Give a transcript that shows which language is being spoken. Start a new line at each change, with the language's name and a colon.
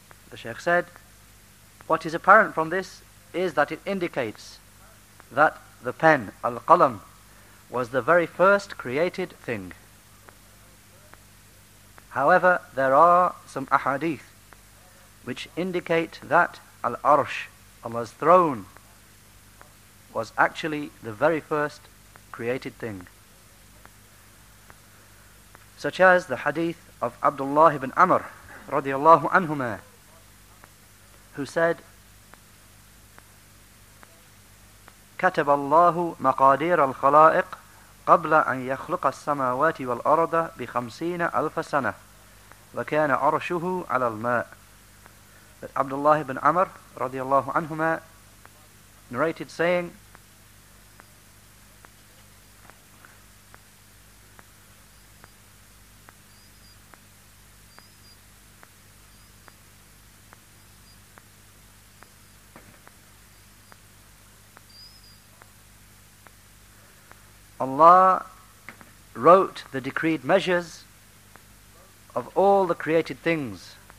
English: The Shaykh said, what is apparent from this is that it indicates that the pen, al-qalam, was the very first created thing. However, there are some ahadith which indicate that Al-Arsh, Allah's throne, was actually the very first created thing. Such as the hadith of Abdullah ibn Amr, radiallahu anhuma, who said,
Arabic: كَتَبَ اللَّهُ مَقَادِيرَ الْخَلَائِقِ قَبْلَ أَنْ يَخْلُقَ السَّمَاوَاتِ وَالْأَرْضَ بِخَمْسِينَ أَلْفَ سَنَةِ وَكَانَ عَرْشُهُ عَلَى الْمَاءِ.
English: But Abdullah ibn Amr, radiallahu anhuma, narrated saying, Allah wrote the decreed measures of all the created things